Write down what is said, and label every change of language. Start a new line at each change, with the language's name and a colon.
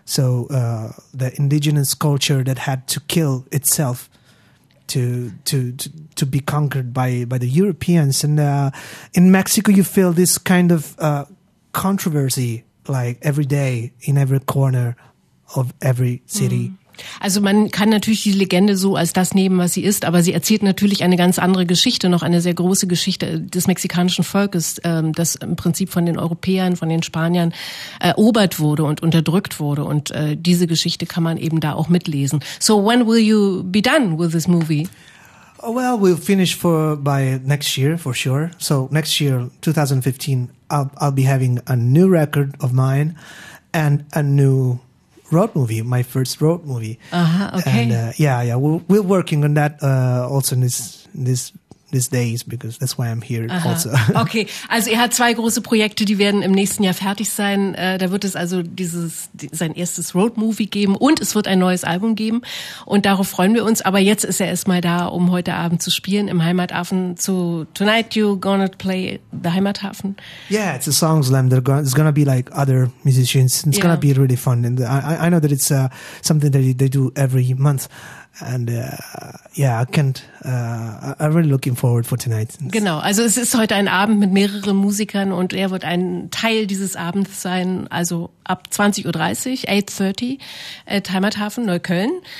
English: So the indigenous culture that had to kill itself to be conquered by the Europeans, and in Mexico, you feel this kind of controversy like every day in every corner of every city. Mm.
German: Also man kann natürlich die Legende so als das nehmen, was sie ist, aber sie erzählt natürlich eine ganz andere Geschichte, noch eine sehr große Geschichte des mexikanischen Volkes, das im Prinzip von den Europäern, von den Spaniern erobert wurde und unterdrückt wurde. Und diese Geschichte kann man eben da auch mitlesen.
English: So when will you be done with this movie? Oh, well, we'll finish by next year for sure. So next year, 2015, I'll be having a new record of mine and a new road movie, my first road movie. And we're working on that also in these days, because that's why I'm here.
German: Aha. Also. Okay, also er hat zwei große Projekte, die werden im nächsten Jahr fertig sein. Da wird es also sein erstes Road Movie geben und es wird ein neues Album geben und darauf freuen wir uns. Aber jetzt ist er erstmal da, um heute Abend zu spielen im Heimathafen zu
English: Tonight You Gonna Play the Heimathafen. Yeah, it's a song slam. It's gonna be like other musicians. It's gonna be really fun. And I know that it's something that they do every month. And I'm really looking forward for tonight.
German: Genau, also es ist heute ein Abend mit mehreren Musikern und er wird ein Teil dieses Abends sein, also ab 20:30 Uhr, 8:30 Uhr, at Heimathafen, Neukölln.